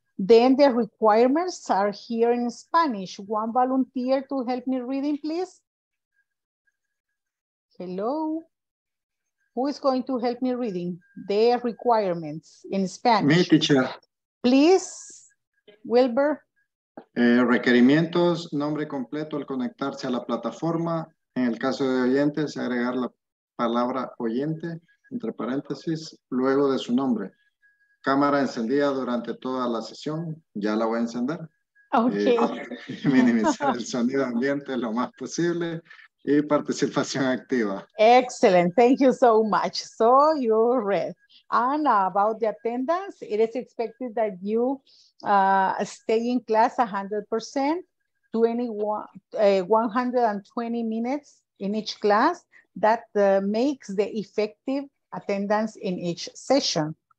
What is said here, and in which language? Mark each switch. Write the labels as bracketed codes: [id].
[en] Then the requirements are here in Spanish. One volunteer to help me reading, please. Hello? Who is going to help me reading the requirements in Spanish? Me, teacher. Please. Wilbur. [es] Requerimientos, nombre completo al conectarse a la plataforma. En el caso de oyentes, agregar la palabra oyente, entre paréntesis, luego de su nombre. Cámara encendida durante toda la sesión. Ya la voy a encender. [en] Okay. [es] Minimizar el sonido ambiente lo más posible y participación activa. [en] Excellent. Thank you so much. So you're ready. And about the attendance, it is expected that you stay in class 100%, 120 minutes in each class. That makes the effective attendance in each session.